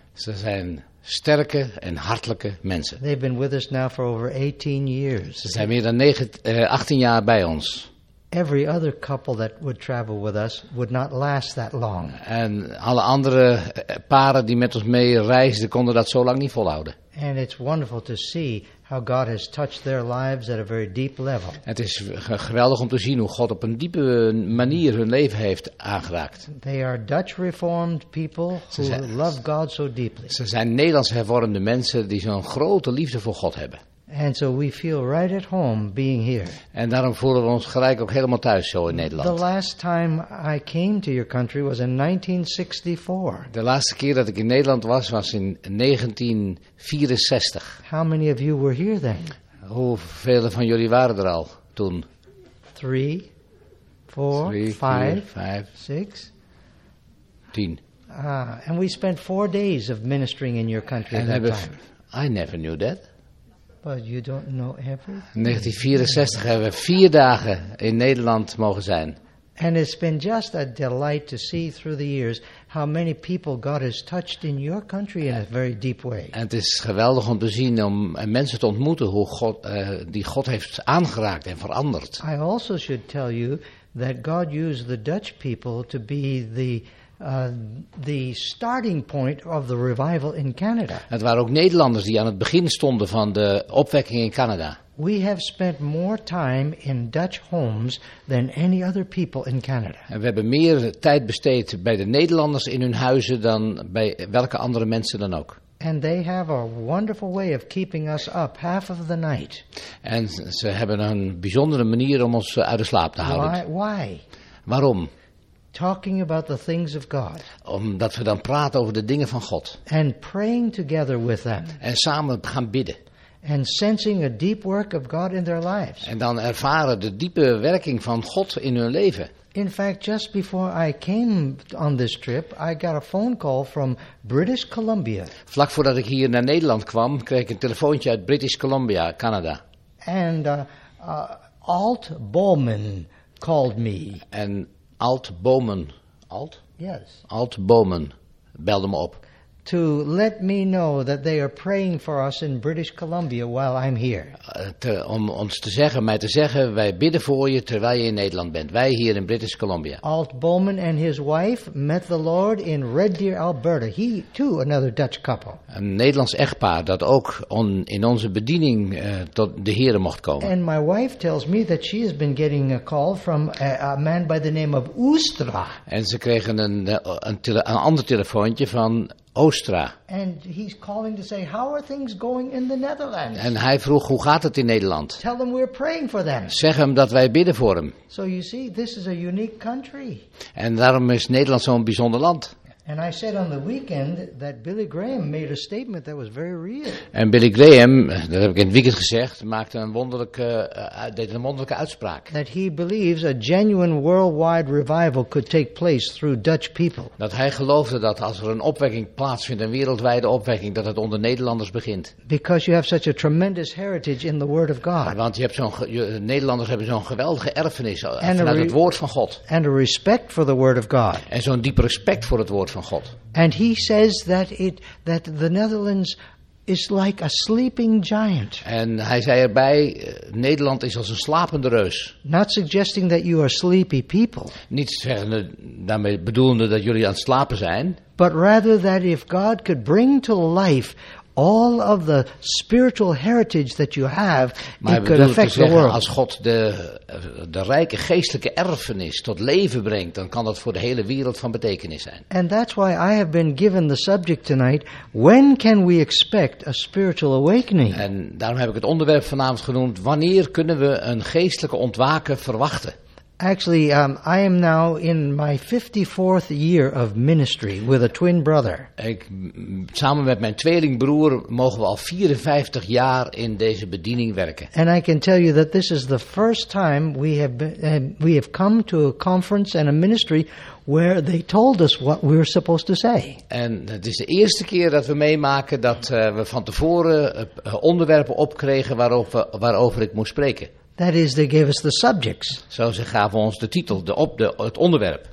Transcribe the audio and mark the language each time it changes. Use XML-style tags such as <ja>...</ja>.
<nl>Ze zijn sterke en hartelijke mensen.</nl> <en>They've been with us now for over 18 years.</en> <nl>Ze zijn meer dan 18 jaar bij ons.</nl> <en>Every other couple that would travel with us would not last that long.</en> <nl>En alle andere paren die met ons mee reisden konden dat zo lang niet volhouden.</nl> <en>And it's wonderful to see how God has touched their lives at a very deep level.</en> <nl>Het is geweldig om te zien hoe God op een diepe manier hun leven heeft aangeraakt.</nl> <en>They are Dutch Reformed people who love God so deeply.</en> <nl>Ze zijn Nederlands hervormde mensen die zo'n grote liefde voor God hebben.</nl> <en>And so we feel right at home being here.</en> <nl>En daarom voelen we ons gelijk ook helemaal thuis zo in Nederland.</nl> <en>The last time I came to your country was in 1964.</en> <nl>De laatste keer dat ik in Nederland was, was in 1964.</nl> <en>How many of you were here then?</en> <nl>Hoeveel van jullie waren er al toen?</nl> <en>3, 4, 5, 6, 10. And we spent 4 days of ministering in your country at that time. I never knew that. But you don't know everything.</en> <nl>1964 hebben we 4 dagen in Nederland mogen zijn.</nl> <en>And it's been just a delight to see through the years how many people God has touched in your country in a very deep way.</en> <nl>En het is geweldig om te zien om mensen te ontmoeten hoe God die God heeft aangeraakt en veranderd.</nl> <en>I also should tell you that God used the Dutch people to be the starting point of the revival in Canada.</en> <nl>Het waren ook Nederlanders die aan het begin stonden van de opwekking in Canada.</nl> <en>We have spent more time in Dutch homes than any other people in Canada.</en> <nl>En we hebben meer tijd besteed bij de Nederlanders in hun huizen dan bij welke andere mensen dan ook.</nl> <en>And they have a wonderful way of keeping us up half of the night.</en> <nl>En ze hebben een bijzondere manier om ons uit de slaap te houden.</nl> <en>Why?</en> <nl>Waarom?</nl> <en>Talking about the things of God.</en> <nl>Omdat we dan praten over de dingen van God.</nl> <en>And praying together with them.</en> <nl>En samen gaan bidden.</nl> <en>And sensing a deep work of God in their lives.</en> <nl>En dan ervaren de diepe werking van God in hun leven.</nl> <en>In fact, just before I came on this trip, I got a phone call from British Columbia.</en> <nl>Vlak voordat ik hier naar Nederland kwam, kreeg ik een telefoontje uit British Columbia, Canada.</nl> <en>And Alt Bowman called me. And Alt Bowman. Alt? Yes.</en> <nl>Alt Bowman belde me op.</nl> <en>To let me know that they are praying for us in British Columbia while I'm here.</en> <nl>Om mij te zeggen, wij bidden voor je terwijl je in Nederland bent. Wij hier in British Columbia.</nl> <en>Alt Bowman and his wife met the Lord in Red Deer, Alberta. He too, another Dutch couple.</en> <nl>Een Nederlands echtpaar dat ook in onze bediening tot de Heere mocht komen.</nl> <en>And my wife tells me that she has been getting a call from a man by the name of Oostra.</en> <nl>En ze kregen een ander telefoontje van Oostra.</nl> <en>And he's calling to say, how are things going in the Netherlands?</en> <nl>En hij vroeg, hoe gaat het in Nederland?</nl> <en>Tell them we're praying for them.</en> <nl>Zeg hem dat wij bidden voor hem.</nl> <en>So you see, this is a unique country.</en> <nl>En daarom is Nederland zo'n bijzonder land.</nl> <en>And I said on the weekend that Billy Graham made a statement that was very real.</en> <nl>En Billy Graham, dat heb ik in het weekend gezegd, deed een wonderlijke uitspraak.</nl> <en>That he believes a genuine worldwide revival could take place through Dutch people.</en> <nl>Dat hij geloofde dat als er een opwekking plaatsvindt, een wereldwijde opwekking, dat het onder Nederlanders begint.</nl> <en>Because you have such a tremendous heritage in the Word of God.</en> <nl>Want Nederlanders hebben zo'n geweldige erfenis vanuit het Woord van God.</nl> <en>And a respect for the Word of God.</en> <nl>En zo'n diep respect voor het Woord. Van God.</nl> <en>And he says that the Netherlands is like a sleeping giant.</en> <nl>En hij zei erbij, Nederland is als een slapende reus.</nl> <en>Not suggesting that you are sleepy people.</en> <nl>Niet zeggende, daarmee bedoelende dat jullie aan het slapen zijn.</nl> <en>But rather that if God could bring to life all of the spiritual heritage that you have,</en> <nl>maar</nl> <en>it could affect</en> <nl>zeggen,</nl> <en>the world.</en> <nl>Als God de rijke geestelijke erfenis tot leven brengt, dan kan dat voor de hele wereld van betekenis zijn.</nl> <en>And that's why I have been given the subject tonight. When can we expect a spiritual awakening?</en> <nl>En daarom heb ik het onderwerp vanavond genoemd. Wanneer kunnen we een geestelijke ontwaken verwachten?</nl> <en>Actually, I am now in my 54th year of ministry with a twin brother.</en> <nl>Samen met mijn tweelingbroer mogen we al 54 jaar in deze bediening werken.</nl> <en>And I can tell you that this is the first time we have come to a conference and a ministry where they told us what we were supposed to say.</en> <nl>En het is de eerste keer dat we meemaken dat we van tevoren onderwerpen opkregen waarover ik moest spreken.</nl> <en>That is, they gave us the subjects.</en> <nl>Zo, ze gaven ons de titel, het onderwerp.</nl>